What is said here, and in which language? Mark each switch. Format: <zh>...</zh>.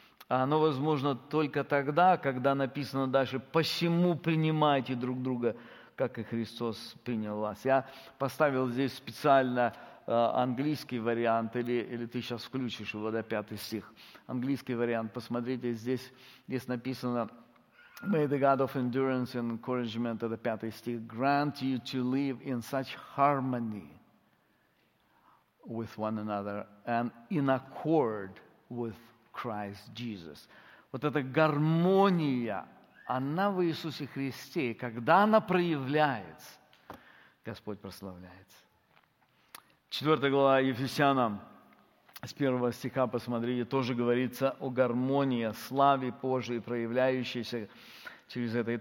<ru>А оно возможно только тогда, когда написано дальше «посему принимайте друг друга, как и Христос принял вас». Я поставил здесь специально английский вариант, или ты сейчас включишь его, да, 5 стих. Английский вариант, посмотрите, здесь написано</ru> <en>«May the God of endurance and encouragement»</en> <ru>– это 5 стих.</ru> <en>«Grant you to live in such harmony with one another and in accord with Christ Jesus».</en> <ru>Вот эта гармония, она в Иисусе Христе. Когда она проявляется, Господь прославляется. 4 глава Ефесянам, с 1 стиха, посмотрите, тоже говорится о гармонии, о славе Божией, проявляющейся через это.</ru>